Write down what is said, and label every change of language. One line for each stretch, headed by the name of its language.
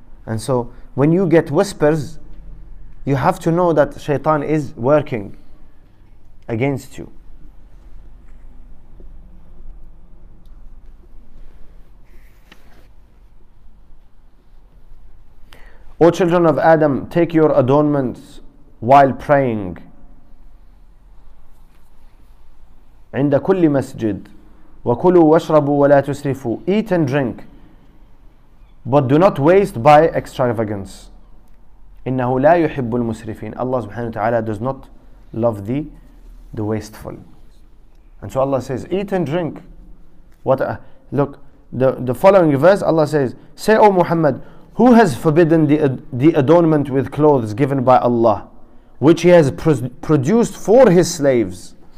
English: And so when you get whispers, you have to know that Shaytan is working against you. O children of Adam, take your adornments while praying.
Arabic: عند كل مسجد وكلوا واشربوا ولا تسرفوا.
English: Eat and drink, but do not waste by extravagance.
Arabic: إنه لا يحب المسرفين.
English: Allah subhanahu wa ta'ala does not love the wasteful. And so Allah says, eat and drink. Look, the following verse, Allah says, say, O Muhammad, who has forbidden the adornment with clothes given by Allah, which he has produced for his slaves?